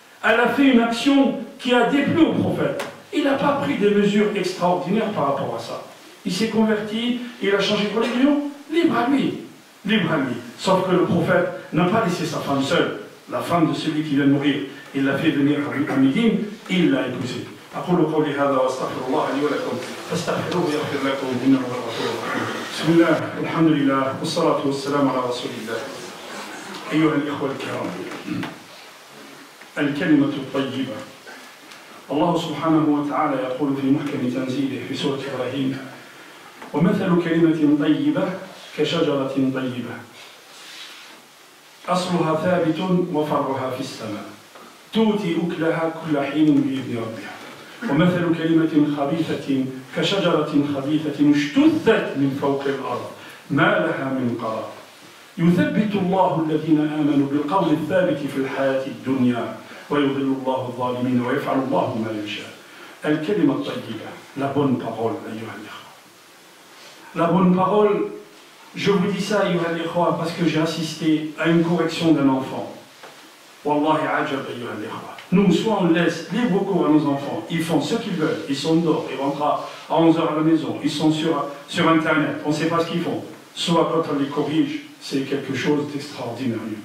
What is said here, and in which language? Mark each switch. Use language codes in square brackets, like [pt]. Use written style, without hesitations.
[fr] Elle a fait une action qui a déplu au prophète. Il n'a pas pris des mesures extraordinaires par rapport à ça. Il s'est converti, il a changé de religion. Libre à lui. Libre à lui. Sauf que le prophète n'a pas laissé sa femme seule. La femme de celui qui vient mourir. Il l'a fait venir à Médine, il l'a épousée. [ar] أقول قولي هذا وأستغفر الله لي ولكم فاستغفروه يغفر لكم إنه هو الغفور الرحيم. بسم الله الحمد لله والصلاة والسلام على رسول الله. أيها الإخوة الكرام، الكلمة الطيبة. الله سبحانه وتعالى يقول في محكم تنزيله في سورة إبراهيم: ومثل كلمة طيبة كشجرة طيبة أصلها ثابت وفرعها في السماء تؤتي أكلها كل حين بإذن ربها. ومثل كلمة خبيثة كشجرة خبيثة اشتثت من فوق الأرض ما لها من قرار يثبت الله الذين آمنوا بالقول الثابت في الحياة الدنيا ويضل الله الظالمين ويفعل الله ما يشاء. الكلمة الطيبة [fr] لا بون بارول [ar] أيها الإخوة لا بون بارول. [fr] Je vous dis ça [ar] أيها الإخوة [fr] parce que j'ai assisté à une correction d'un enfant. [ar] والله عجب أيها الإخوة. [fr] Nous, soit on laisse libre cours à nos enfants, ils font ce qu'ils veulent, ils sont dehors, ils rentrent à 11h à la maison, ils sont sur Internet, on ne sait pas ce qu'ils font. Soit quand on les corrige, c'est quelque chose d'extraordinaire.